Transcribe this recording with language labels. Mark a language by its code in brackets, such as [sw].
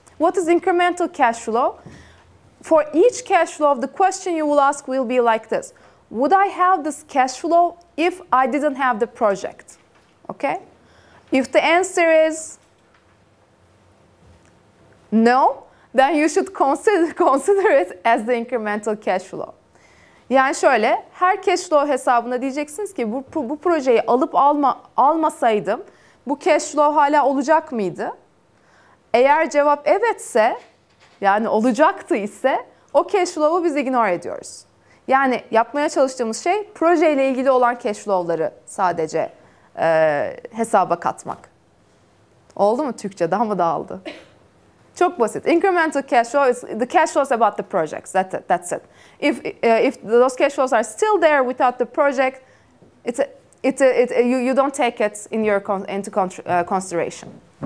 [en] What is incremental cash flow? For each cash flow, the question you will ask will be like this. Would I have this cash flow if I didn't have the project? Okay? If the answer is no, then you should consider it as the incremental cash flow. [tr] Yani şöyle, her cash flow hesabına diyeceksiniz ki bu projeyi alıp almasaydım bu cash flow hala olacak mıydı? Eğer cevap evetse, yani olacaktı ise o cash flow'u biz ignore ediyoruz. Yani yapmaya çalıştığımız şey projeyle ilgili olan cash flow'ları sadece hesaba katmak. Oldu mu Türkçe? Daha mı dağıldı? Çok basit. [en] Incremental cash flow is the cash flows about the projects. That's it. If those cash flows are still there without the project, it's a, you don't take it in your into consideration.